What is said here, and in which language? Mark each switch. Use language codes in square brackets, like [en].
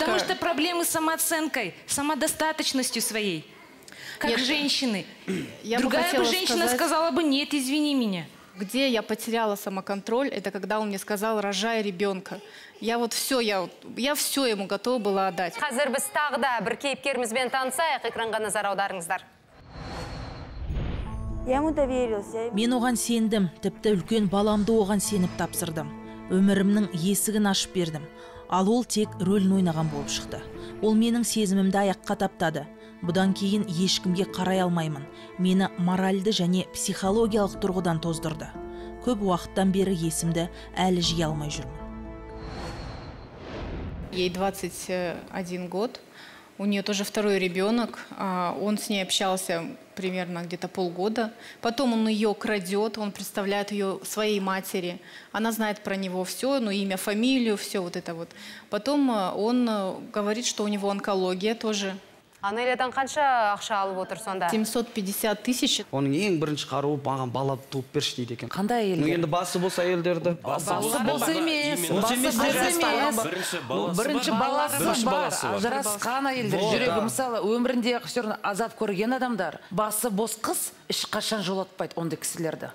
[ru] Потому что проблемы с самооценкой, самодостаточностью своей, как нет, женщины. Я другая бы женщина сказать, сказала бы, нет, извини меня. Где я потеряла самоконтроль, это когда он мне сказал, рожай ребенка. Я вот все, я все ему готова была отдать. [kk] Қазір біз тағы да бір кейіпкерімізбен танысайық, экранға назар аударыңыздар. [ru] Я ему доверилась. [kk] Мен оған сендім, тіпті үлкен баламды оған сеніп тапсырдым. Өмірімнің есігін ашып бердім. Ал ол тек рөлін ойнаған болып шықты. Ол менің сезімімді аяққа таптады. Бұдан кейін ешкімге қарай алмаймын. Мені моральды және психологиялық тұрғыдан тоздырды. Көп уақыттан бері есімді әлі жия алмай жүрмін. [ru] Ей 21 год, у нее тоже второй ребенок, он с ней общался примерно где-то полгода, потом он ее крадет, он представляет ее своей матери, она знает про него все, ну имя, фамилию, все вот это вот. Потом он говорит, что у него онкология тоже. А ну или там [kk] қанша ақша алып отыр сонда? [ru] 750 тысяч. [kk] Оның ең бірінші қаруы баған бала туып берші дейді екен. Қандай әйел? Енді басы болса әйелдерді. Басы болса емес. Басы емес. Бірінші баласы бар. Ажырасқан әйелдер. Жүрегі мысалы өмірінде қысырын азат көрген адамдар. Басы бос қыз ешқашан жолатпайды ондай кісілерді.